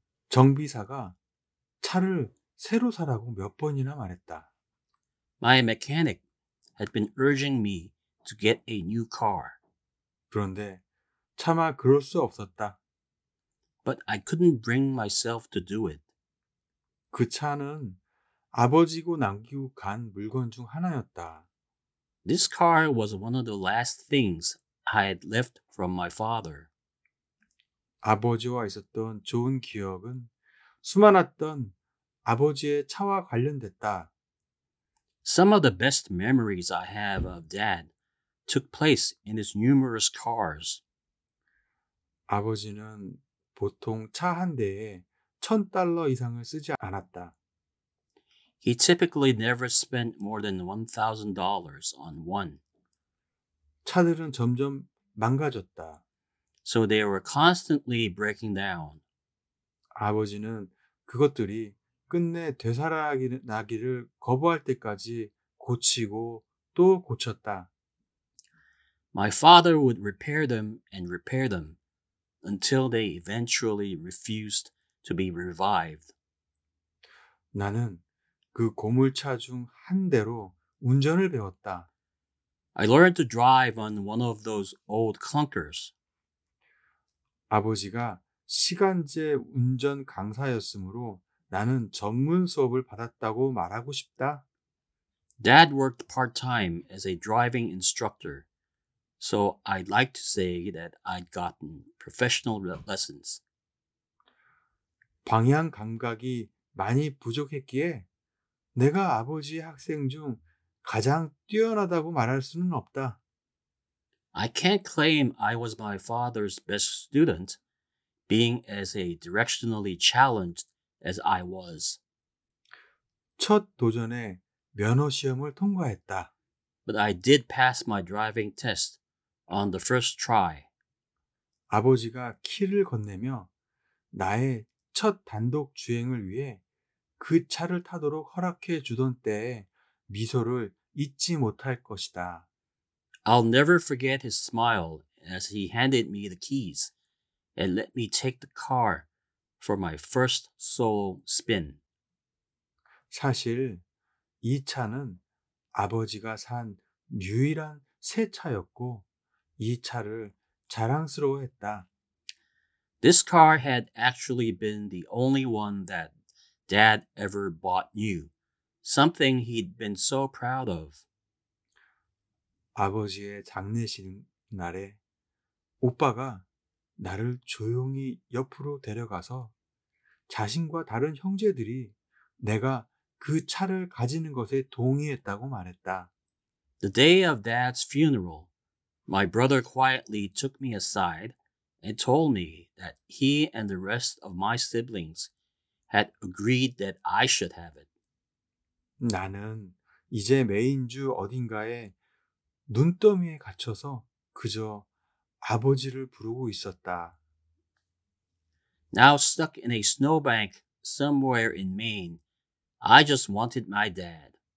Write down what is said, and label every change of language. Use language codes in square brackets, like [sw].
[ko] 정비사가 차를 새로 사라고 몇 번이나 말했다. [en] My mechanic had been urging me to get a new car. [ko] 그런데 차마 그럴 수 없었다. [en] But I couldn't bring myself to do it. [ko] 그 차는 아버지가 남기고 간 물건 중 하나였다. [en] This car was one of the last things I had left from my father. [ko] 아버지와 있었던 좋은 기억은 수많았던 아버지의 차와 관련됐다. [en] Some of the best memories I have of Dad took place in his numerous cars. [ko] 아버지는 보통 차 한 대에 $1,000 이상을 쓰지 않았다. [en] He typically never spent more than $1,000 on one. [ko] 차들은 점점 망가졌다. [en] So they were constantly breaking down. [ko] 아버지는 그것들이 끝내 되살아나기를 거부할 때까지 고치고 또 고쳤다. [en] My father would repair them and repair them until they eventually refused to be revived. [ko] 나는 그 고물차 중 한 대로 운전을 배웠다. [en] I learned to drive on one of those old clunkers. [ko] 아버지가 시간제 운전 강사였으므로 나는 전문 수업을 받았다고 말하고 싶다. [en] Dad worked part-time as a driving instructor, so I'd like to say that I'd gotten professional lessons. [ko] 방향 감각이 많이 부족했기에 내가 아버지 학생 중 가장 뛰어나다고 말할 수는 없다. [en] I can't claim I was my father's best student, being as a directionally challenged as I was. [ko] 첫 도전에 면허 시험을 통과했다. [en] But I did pass my driving test on the first try. [ko] 아버지가 키를 건네며 나의 첫 단독 주행을 위해 그 차를 타도록 허락해 주던 때의 미소를 잊지 못할 것이다. [en] I'll never forget his smile as he handed me the keys and let me take the car for my first solo spin. [ko] 사실 이 차는 아버지가 산 유일한 새 차였고 이 차를 자랑스러워했다. [en] This car had actually been the only one that Dad ever bought new, something he'd been so proud of. [ko] 아버지의 장례식 날에 오빠가 나를 조용히 옆으로 데려가서 자신과 다른 형제들이 내가 그 차를 가지는 것에 동의했다고 말했다. [en] The day of Dad's funeral, my brother quietly took me aside and told me that he and the rest of my siblings had agreed that I should have it. [ko] 나는 이제 메인주 어딘가에 눈더미에 갇혀서 그저 아버지를 부르고 있었다. [en] Now stuck in a snowbank somewhere in Maine, I just wanted my dad.